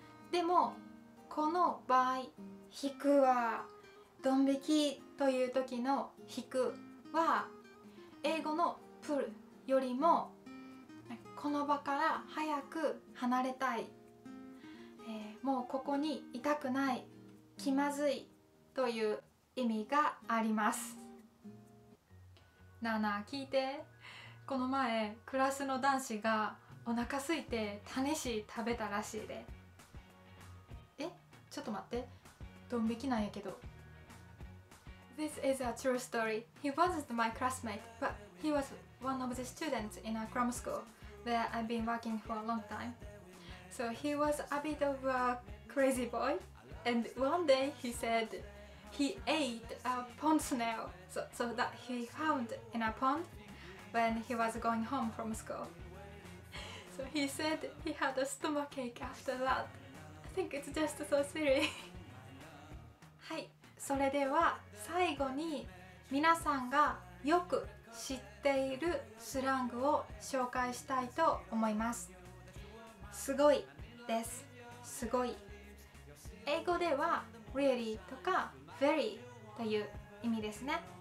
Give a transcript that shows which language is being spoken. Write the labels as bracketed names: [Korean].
[Japanese] でもこの場合、引くはドン引きという時の引くは英語の pull よりもこの場から早く離れたい、もうここにいたくない、気まずいという意味があります。なあなあ聞いて、この前クラスの男子がお腹空いてタネシ食べたらしいで。え、ちょっと待って、ドン引きなんやけど。 [English] This is a true story. He wasn't my classmate, but he was one of the students in a cram school where I've been working for a long time. So he was a bit of a crazy boy, and one day he saidHe ate a pond snail, so that he found in a pond when he was going home from school. So he said he had a stomachache after that. I think it's just so silly. [Japanese] はい、それでは最後に皆さんがよく知っているスラングを紹介したいと思います。すごいです。すごい、英語では really とか very という意味ですね。